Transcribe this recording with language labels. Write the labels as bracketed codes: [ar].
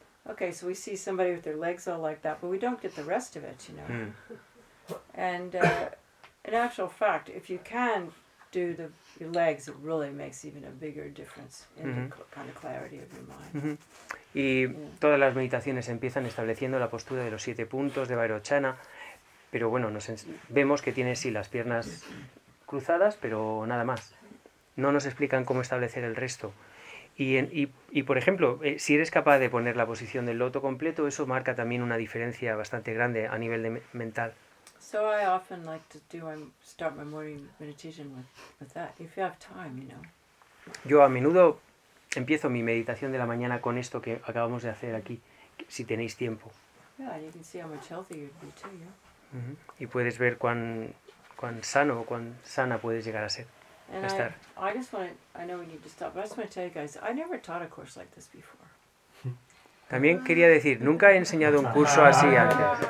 [en] Okay, so we see somebody with their legs all like that, but we don't get the rest of it, you know. Mm. And in actual fact, if you can do the your legs, it really makes even a bigger difference in the kind of clarity of your mind. [es] Y todas las meditaciones empiezan estableciendo la postura de los siete puntos de Vairochana, pero bueno, nos vemos que tiene sí las piernas cruzadas, pero nada más. No nos explican cómo establecer el resto. Y por ejemplo, si eres capaz de poner la posición del loto completo, eso marca también una diferencia bastante grande a nivel de mental. [en] So I often like to do and start my morning meditation with that, if you have time, you know. [es] Yo a menudo empiezo mi meditación de la mañana con esto que acabamos de hacer aquí, si tenéis tiempo. [en] Yeah, you can see how much healthy you'd be too, yeah. [es] Y puedes ver cuán sano o cuán sana puedes llegar a ser. [en] And I just want to, I know we need to stop, but I just want to tell you guys, I never taught a course like this before. [es] También quería decir, nunca he enseñado un curso así antes.